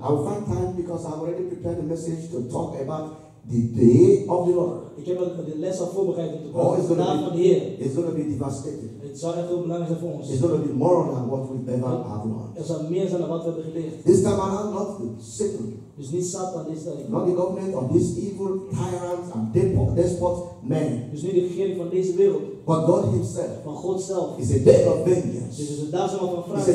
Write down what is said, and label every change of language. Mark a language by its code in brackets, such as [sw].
[en] I will find time because I've already prepared a message to talk about the day of the Lord. [nl] Ik heb de les al voorbereid om te praten over de dag van de Heer. [en] It's going to be devastating. [nl] Het zal echt heel belangrijk zijn voor ons. [en] It's going to be more than what we've ever have learned. [nl] Er zal meer zijn dan wat we hebben geleerd. [en] This time around, not Satan. [nl] Dus niet Satan deze tijd. [en] Not the government of this evil tyrant and despot man. [nl] Dus niet de regering van deze wereld. [en] But God Himself. [nl] Van God zelf. [en] It's a day of vengeance. [nl] Dus is het daar zo van vragen.